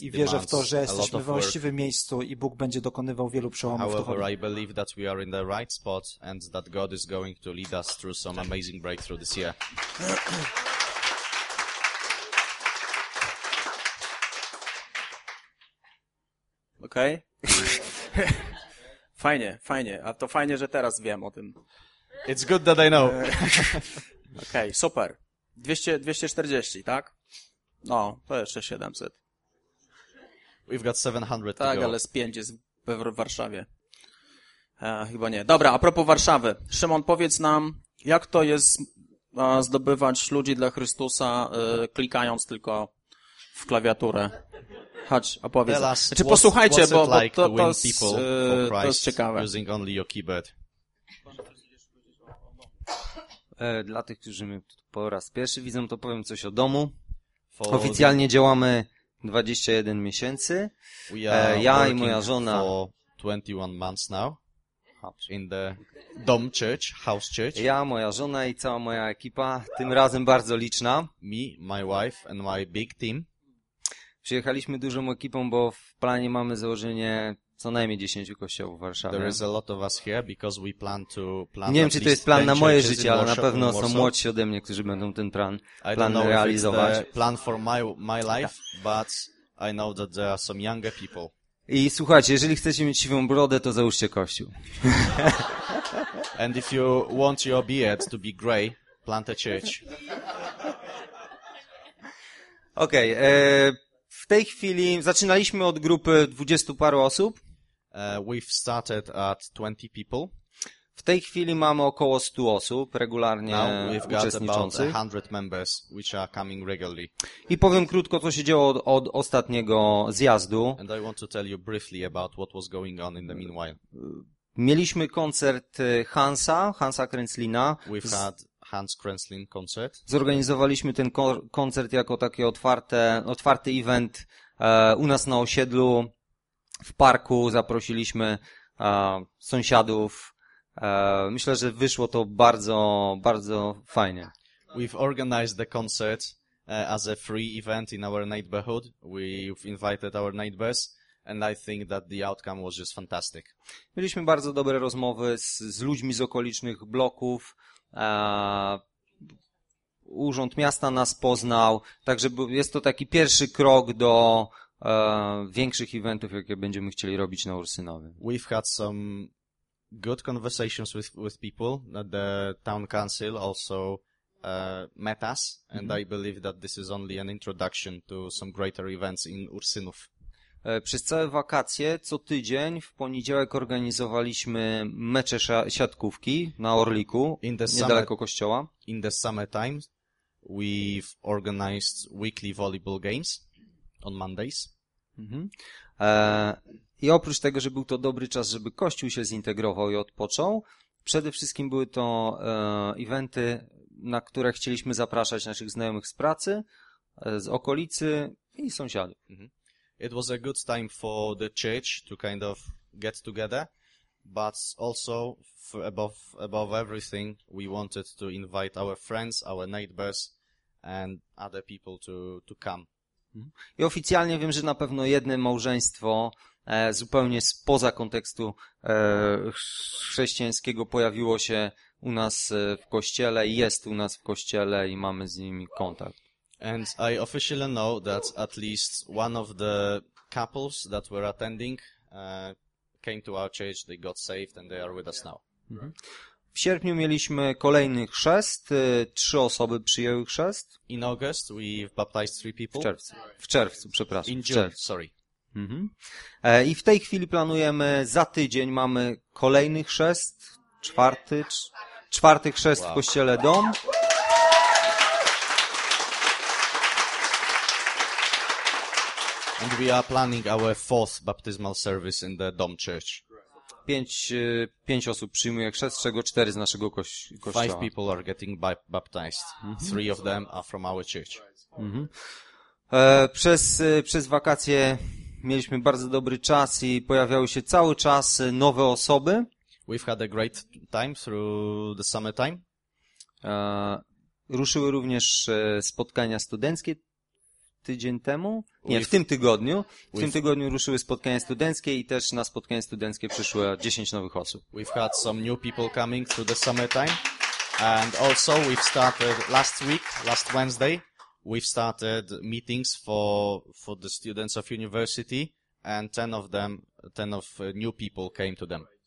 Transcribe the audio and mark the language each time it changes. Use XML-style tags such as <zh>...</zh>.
<pl>i wierzę w to, że jesteśmy w właściwym miejscu i Bóg będzie dokonywał wielu przełomów.</pl> <en>However, I believe that we are in the right spot and that God is going to lead us through some amazing breakthrough this year.</en> <pl>Okay. Fajnie. A to fajnie, że teraz wiem o tym.</pl> <en>It's good that I know.</en> <pl>Okej, okay, super. 240, tak? No, to jeszcze 700.</pl> <en>We've got 700 to go.</en> <pl>Tak, ale z 5 jest w Warszawie. Chyba nie. Dobra, a propos Warszawy. Szymon, powiedz nam, jak to jest zdobywać ludzi dla Chrystusa, klikając tylko w klawiaturę? Chodź, opowiedz. Znaczy, posłuchajcie, to jest ciekawe.</pl> <en>Using only your keyboard.</en> <pl>Dla tych, którzy mnie po raz pierwszy widzą, to powiem coś o domu. Oficjalnie działamy 21 miesięcy. Ja i moja żona...</pl> <en>For 21 months now. In the dom church, house church.</en> <pl>Ja, moja żona i cała moja ekipa, tym razem bardzo liczna.</pl> <en>Me, my wife and my big team.</en> <pl>Przyjechaliśmy dużą ekipą, bo w planie mamy założenie co najmniej 10 kościołów w Warszawie.</pl> <en>There is a lot of us here because we plan to plan.</en> <pl>Nie wiem, czy to jest plan na moje życie, ale na pewno są młodsi ode mnie, którzy będą ten plan realizować.</pl> <en>Plan for my life, but I know that there are some younger people.</en> <pl>I słuchajcie, jeżeli chcecie mieć siwą brodę, to załóżcie kościół.</pl> <en>And if you want your beard to be gray, plant a church.</en> <pl>Okej. W tej chwili zaczynaliśmy od grupy 20 paru osób.</pl> <en>We've started at 20 people.</en> <pl>W tej chwili mamy około 100 osób regularnie uczestniczących.</pl> <en>100 members which are coming regularly.</en> <pl>I powiem krótko, co się działo od ostatniego zjazdu.</pl> <en>And I want to tell you briefly about what was going on in the meanwhile.</en> <pl>Mieliśmy koncert Hansa Krenzlina.</pl> <en>We've had Hans Krenzlin concert.</en> <pl>Zorganizowaliśmy ten koncert jako taki otwarty event u nas na osiedlu, w parku. Zaprosiliśmy sąsiadów. Myślę, że wyszło to bardzo, bardzo fajnie.</pl> <en>We've organized the concert as a free event in our neighborhood. We've invited our neighbors. And I think that the outcome was just fantastic.</en> <pl>Mieliśmy bardzo dobre rozmowy z ludźmi z okolicznych bloków. Urząd miasta nas poznał. Także jest to taki pierwszy krok do większych eventów, jakie będziemy chcieli robić na Ursynowie.</pl> <en>We've had some good conversations with people. The town council also met us. And I believe that this is only an introduction to some greater events in Ursynów.</en> <pl>Przez całe wakacje, co tydzień, w poniedziałek organizowaliśmy mecze siatkówki na Orliku, niedaleko kościoła.</pl> <en>In the summertime, we've organized weekly volleyball games on Mondays. Mm-hmm.</en> <pl>I oprócz tego, że był to dobry czas, żeby kościół się zintegrował i odpoczął, przede wszystkim były to eventy, na które chcieliśmy zapraszać naszych znajomych z pracy, z okolicy i sąsiadów. Mm-hmm.</pl> <en>It was a good time for the church to kind of get together, but also above everything, we wanted to invite our friends, our neighbors, and other people to come.</en> <pl>I oficjalnie wiem, że na pewno jedno małżeństwo zupełnie spoza kontekstu chrześcijańskiego pojawiło się u nas w kościele i jest u nas w kościele i mamy z nimi kontakt.</pl> <en>And I officially know that at least one of the couples that were attending came to our church, they got saved and they are with us now.</en> <pl>W sierpniu mieliśmy kolejny chrzest, trzy osoby przyjęły chrzest.</pl> <en>In August we baptized three people.</en> <pl>W czerwcu, przepraszam.</pl> <en>In June, sorry.</en> <pl>I w tej chwili planujemy, za tydzień mamy kolejny chrzest, czwarty chrzest w kościele Dom.</pl> <en>And we are planning our fourth baptismal service in the Dom Church.</en> <pl>Pięć osób przyjmuje chrzest, z czego cztery z naszego kościoła.</pl> <en>Five people are getting baptized. Mm-hmm. Three of them are from our church. Mm-hmm.</en> <pl>Przez wakacje mieliśmy bardzo dobry czas i pojawiały się cały czas nowe osoby.</pl> <en>We've had a great time through the summertime.</en> <pl>Ruszyły również spotkania studenckie. Tydzień temu? Nie, w tym tygodniu. W tym tygodniu ruszyły spotkania studenckie i też na spotkanie studenckie przyszło 10 nowych osób.</pl> <en>We've had some new people coming through the summertime. And also we've started last Wednesday, we've started meetings for the students of university and 10 new people came to them.</en>